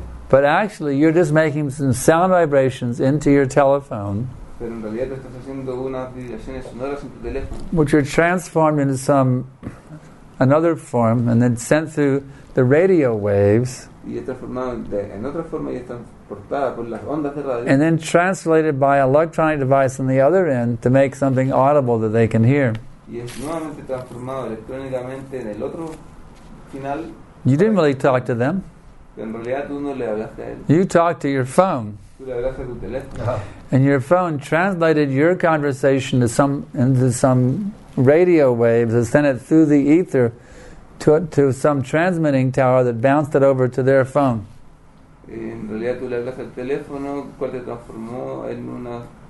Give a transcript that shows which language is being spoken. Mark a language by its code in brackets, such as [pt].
[en] But actually, you're just making some sound vibrations into your telephone, which are transformed into some another form and then sent through the radio waves and then translated by an electronic device on the other end to make something audible that they can hear. [es] Y es nuevamente transformado electrónicamente en el otro final. [en] You didn't really talk to them. [es] En realidad, tú no le hablaste a él. [en] You talked to your phone. [es] Tú le hablaste a tu teléfono. [en] And your phone translated your conversation into some radio waves and sent it through the ether to some transmitting tower that bounced it over to their phone. [es] En realidad, tú le hablaste al teléfono, cual te transformó en una.